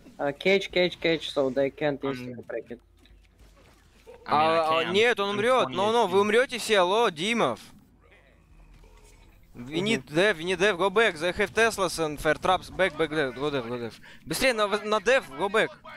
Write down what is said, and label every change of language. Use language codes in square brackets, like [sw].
[en] Cage, so they can't easily break it. [ru] Нет, он умрет. Но вы умрете все, алло, Димов. [en] We need dev, we need dev, go back. They have Teslas and fire traps. Back, back, dev, go dev, go dev. [ru] Быстрее на [en] dev, go back.